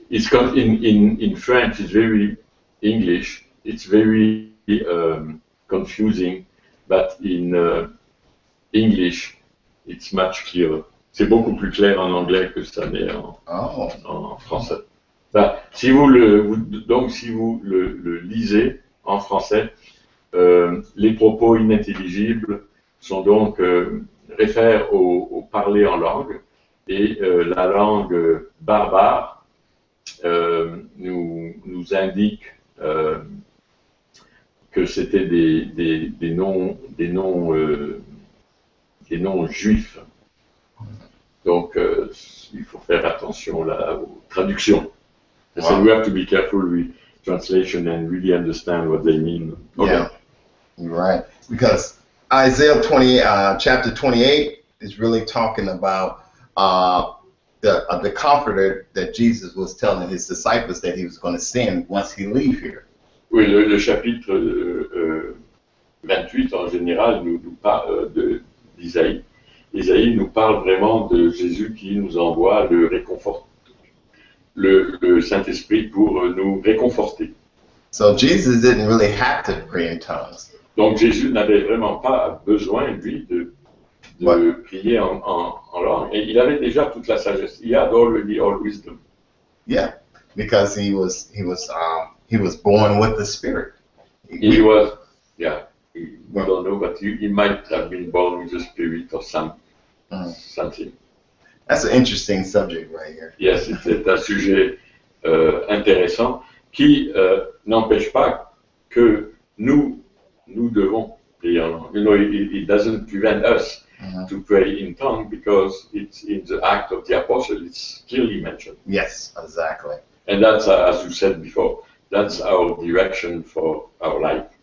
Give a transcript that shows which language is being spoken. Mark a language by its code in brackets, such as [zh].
[en] In French, it's very English, it's very confusing, but in English, it's much clearer. [fr] C'est beaucoup plus clair en anglais que ça n'est en français. Bah, si vous le lisez en français, les propos inintelligibles sont donc réfèrent au parler en langue et la langue barbare nous indique que c'était des noms juifs. Donc il faut faire attention là aux traductions. [en] Wow. So we have to be careful with translation and really understand what they mean. Okay. Yeah. Right, because Isaiah 28, chapter 28 is really talking about the comforter that Jesus was telling his disciples that he was going to send once he leave here. [fr] Oui, le chapitre 28 en général nous parle d'Isaïe. Isaïe nous parle vraiment de Jésus qui nous envoie le réconfort, le Saint-Esprit pour nous réconforter. [en] So Jesus didn't really have to pray in tongues. [fr] Donc Jésus n'avait vraiment pas besoin, lui, de prier en langue. Et il avait déjà toute la sagesse. [en] He had already all wisdom. Yeah, because he was born with the Spirit. We don't know, but he might have been born with the Spirit or something. That's an interesting subject right here. [fr] Yes, c'est un sujet intéressant qui n'empêche pas que nous devons prier en langue. [en] You know, it doesn't prevent us to pray in tongues because it's in the act of the apostle. It's clearly mentioned. Yes, exactly. And that's, as you said before, that's our direction for our life.